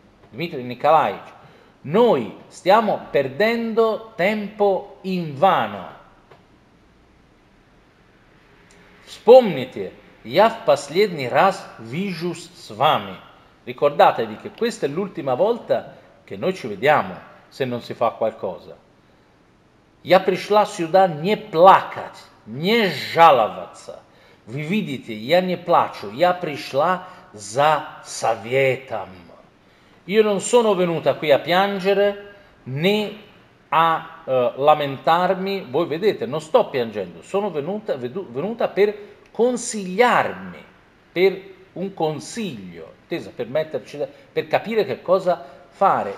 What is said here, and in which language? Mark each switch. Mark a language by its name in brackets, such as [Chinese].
[Italian] Dmitri Nikolaevich, noi stiamo perdendo tempo in vano. [Russian] Вспомните, я в последний раз вижу с вами. [Italian] Ricordatevi che questa è l'ultima volta che noi ci vediamo, se non si fa qualcosa. [Russian] Я пришла сюда не плакать, не жаловаться. Vi vidite, я не плачу, я пришла за советом. [Italian] Io non sono venuta qui a piangere né a lamentarmi. Voi vedete, non sto piangendo, sono venuta per consigliarmi, per un consiglio, tesa per metterci, per capire che cosa fare.